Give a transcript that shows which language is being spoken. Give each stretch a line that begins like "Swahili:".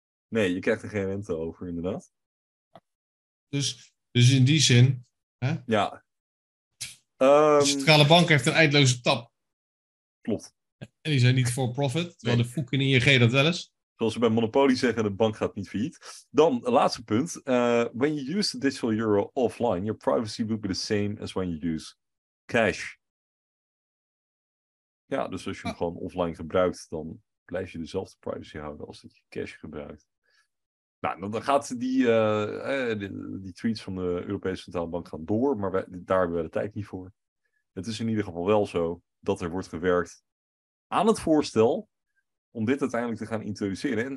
Dutch: Nee, je krijgt er geen rente over, inderdaad. Dus in die zin... Hè? Ja. De centrale bank heeft een eindloze tap. Klopt. En die zijn niet
English: for profit,
Dutch: terwijl nee, de FOEC en de ING dat wel is. Zoals ze bij Monopoly zeggen, de bank gaat niet failliet. Dan, laatste punt.
English: When you use the digital euro offline, your privacy will be the same as when you use cash.
Dutch: Ja, dus als je hem gewoon offline gebruikt, dan blijf je dezelfde privacy houden als dat je cash gebruikt. Nou, dan gaat die tweets van de Europese Centrale Bank gaan door, maar daar hebben we de tijd niet voor. Het is in ieder geval wel zo dat er wordt gewerkt aan het voorstel om dit uiteindelijk te gaan introduceren.